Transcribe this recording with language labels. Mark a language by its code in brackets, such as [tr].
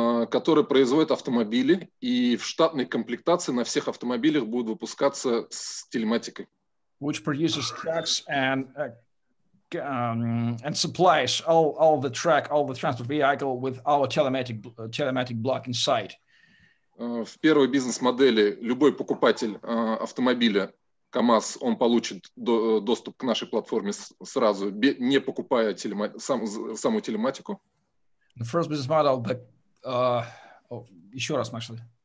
[ru] Который производит автомобили, и в штатной комплектации на всех автомобилях будут выпускаться с телематикой. [en] Which produces trucks and supplies all the transport vehicle with our telematic block inside. [ru] В первой бизнес-модели любой покупатель автомобиля КАМАЗ, он получит доступ к нашей платформе сразу, не покупая саму телематику. [en] The first business model, but [ru] еще раз, [en] Маша.